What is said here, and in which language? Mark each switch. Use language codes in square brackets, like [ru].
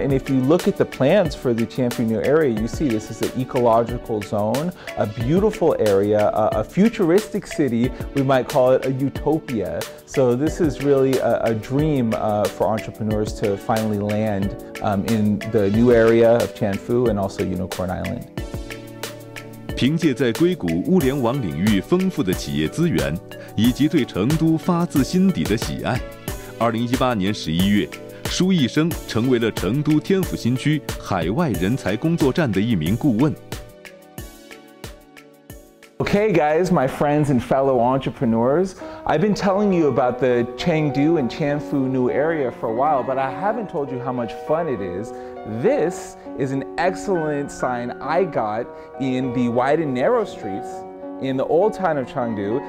[en] And if you look at the plans for the Tianfu New Area, you see this is an ecological zone, a beautiful area, a futuristic city, we might call it a utopia. So this is really a dream for entrepreneurs to finally land in the new area of Tianfu and also Unicorn Island. [zh] 凭借在硅谷物联网领域丰富的企业资源，以及对成都发自心底的喜爱，2018年11月，舒一生成为了成都天府新区海外人才工作站的一名顾问。 [en] Okay, guys, my friends and fellow entrepreneurs, I've been telling you about the Chengdu and Tianfu new area for a while, but I haven't told you how much fun it is. This is an excellent sign I got in the wide and narrow streets in the old town of Chengdu.